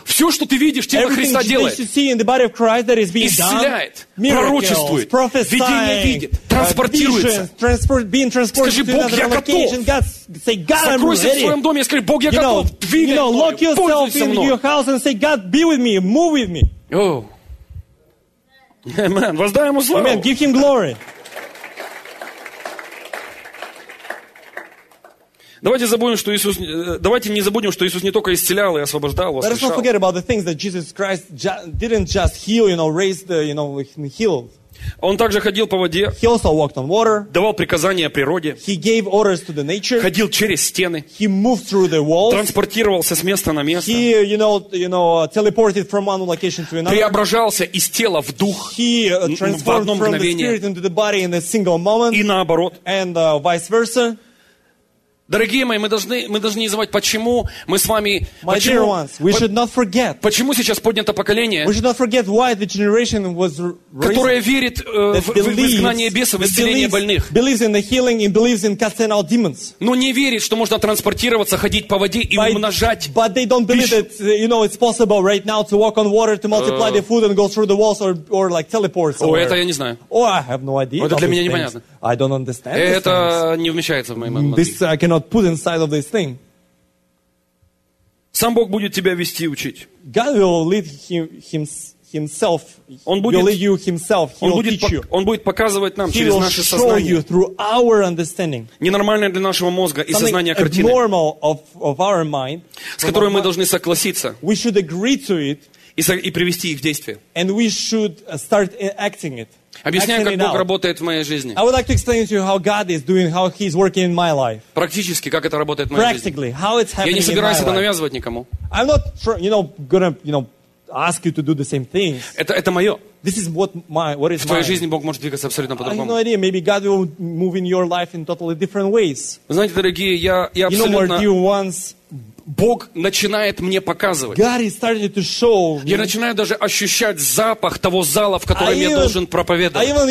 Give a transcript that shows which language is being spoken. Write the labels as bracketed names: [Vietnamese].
[Russian] Все, что ты видишь, тело Христа делает. Исцеляет, пророчествует, видение видит, транспортируется. Скажи, Бог, я [English] location. [Russian] Готов. [English] God, say, God, [Russian] Закройся в своем доме и скажи, Бог, я [English] you [Russian] готов. Двигай [English] лок yourself in your house and say, God, be with me, move with me. [Russian] Amen. Воздай ему славу. [English] Amen. Give him glory. [Russian] Давайте забудем, что Иисус. Давайте не забудем, что Иисус не только исцелял и освобождал, воскрешал. [English] Let us not forget about the things that Jesus Christ didn't just heal, you know, raised, you know, heal. [Russian] Он также ходил по воде. [English] He also walked on water. [Russian] Давал приказания природе. [English] He gave orders to the nature. [Russian] Ходил через стены. [English] He moved through the walls. [Russian] Транспортировался с места на место. [English] He, you know, teleported from one location to another. [Russian] Преображался из тела в дух. [English] He transformed from the spirit into the body in a single moment. [Russian] И наоборот. [English] And vice versa. [Russian] Дорогие мои, мы должны не забывать, почему мы с вами... Почему сейчас поднято поколение, которое верит в изгнание бесов, исцеление больных, но не верит, что можно транспортироваться, ходить по воде и умножать пищу. Это я не знаю. Это для меня непонятно. [English] I don't understand. [Russian] Это не вмещается в мои мозги. [English] This I cannot put inside of this thing. [Russian] Сам Бог будет тебя вести и учить. [English] God will lead himself. [Russian] Он будет, [English] will lead you himself. He will teach you. [Russian] Он будет показывать нам через наше сознание. [English] He will show you through our understanding. [Russian] Ненормальная для нашего мозга и сознания картина. [English] Something abnormal of our mind. [Russian] С которой мы должны согласиться. [English] We should agree to it. [Russian] И привести их в действие. [English] And we should start acting it. [Russian] Объясняю, как Бог работает в моей жизни. [English] I would like to explain to you how God is doing, how He's working in my life. [Russian] Практически, как это работает в моей жизни. [English] Practically, how it's happening. [Russian] Я не собираюсь это навязывать никому. [English] I'm not, you know, gonna, you know, ask you to do the same things. [Russian] Это мое. [English] This is what my, what is [Russian] в твоей [English] my... [Russian] жизни Бог может двигаться абсолютно по-другому. [English] I have no idea. Maybe God will move in your life in totally different ways. [Russian] Вы знаете, дорогие, я абсолютно. [English] You know, more dear ones. [Russian] Бог начинает мне показывать. Я начинаю даже ощущать запах того зала, в котором я должен проповедовать.